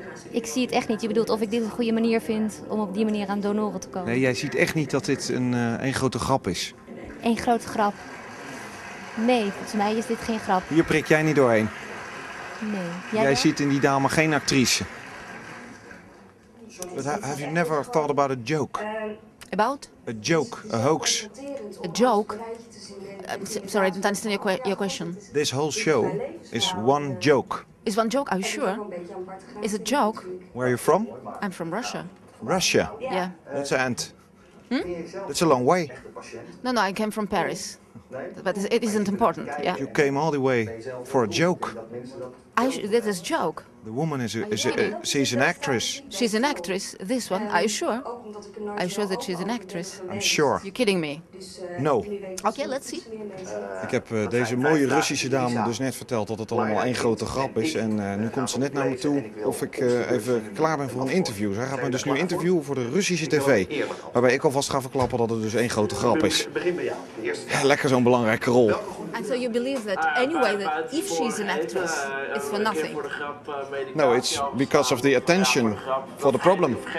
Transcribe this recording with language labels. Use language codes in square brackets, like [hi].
[nl] Ik zie het echt niet. Je bedoelt of ik dit een goede manier vind om op die manier aan donoren te komen? Nee, jij ziet echt niet dat dit een grote grap is. Een grote grap? Nee, volgens mij is dit geen grap. Hier prik jij niet doorheen. Nee. Jij ziet in die dame geen actrice. [en] But have you never thought about a joke? About? A joke, a hoax. A joke? Sorry, I don't understand your question. This whole show is one joke. Is one joke? Are you sure? Is a joke? Where are you from? I'm from Russia. Russia? Yeah. That's an end. That's a long way. No, I came from Paris. But it isn't important, yeah. You came all the way for a joke. That is a joke. The woman she's an actress. She's an actress, this one, are you sure? Are you sure that she's an actress? I'm sure. You're kidding me? No. Okay, let's see. [nl] Ik heb deze mooie Russische dame dus net verteld dat het allemaal één grote grap is. En nu komt ze net naar me toe of ik even klaar ben voor een interview. Zij gaat me dus nu interviewen voor de Russische tv. Waarbij ik alvast ga verklappen dat het dus één grote grap is. Lekker zo'n belangrijke rol. [en] And so you believe that anyway, that if she's an actress, it's for nothing? No, it's because of the attention for the problem.